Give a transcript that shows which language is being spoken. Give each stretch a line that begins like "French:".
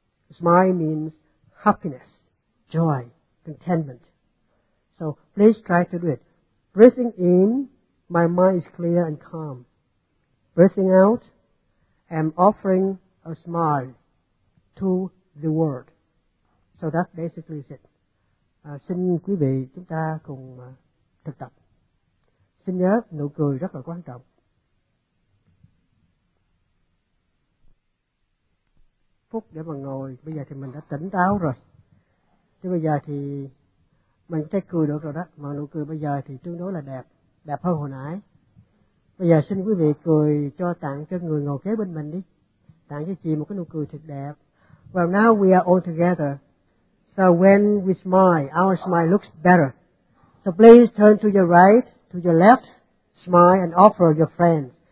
English: A smile means happiness, joy, contentment. So please try to do it. Breathing in, my mind is clear and calm. Breathing out, I'm offering a smile to the world. So that basically is it.
Vietnamese: Xin quý vị chúng ta cùng thực tập. Xin nhớ nụ cười rất là quan trọng. Phút để mà ngồi, bây giờ thì mình đã tỉnh táo rồi. Chứ bây giờ thì mình có thể cười được rồi đó. Mà nụ cười bây giờ thì tương đối là đẹp, đẹp hơn hồi nãy. Bây giờ xin quý vị cười cho tặng cho người ngồi kế bên mình đi. Tặng cho chị một cái nụ cười thật đẹp.
English: Well, now we are all together. So when we smile, our smile looks better. So please turn to your right, to your left, smile and offer your friends.